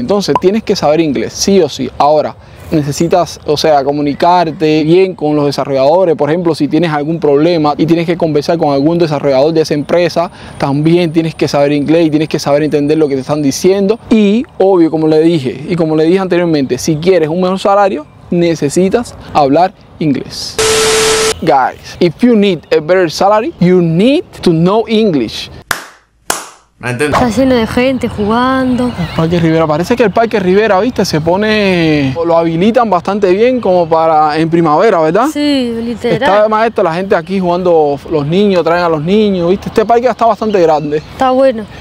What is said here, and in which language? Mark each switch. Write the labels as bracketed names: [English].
[Spanish] Entonces tienes que saber inglés, sí o sí. Ahora, necesitas, o sea, comunicarte bien con los desarrolladores. Por ejemplo, si tienes algún problema y tienes que conversar con algún desarrollador de esa empresa, también tienes que saber inglés y tienes que saber entender lo que te están diciendo. Y obvio, como le dije y como le dije anteriormente, si quieres un mejor salario, necesitas hablar inglés. [English] Guys, if you need a better salary, you need to know English. [Spanish] ¿Me entiendes? Está lleno de gente jugando. El Parque Rivera, parece que el Parque Rivera, viste, se pone, lo habilitan bastante bien como para en primavera, ¿verdad? Sí, literal. Está además esto, la gente aquí jugando, los niños, traen a los niños, viste. Este parque está bastante grande. Está bueno.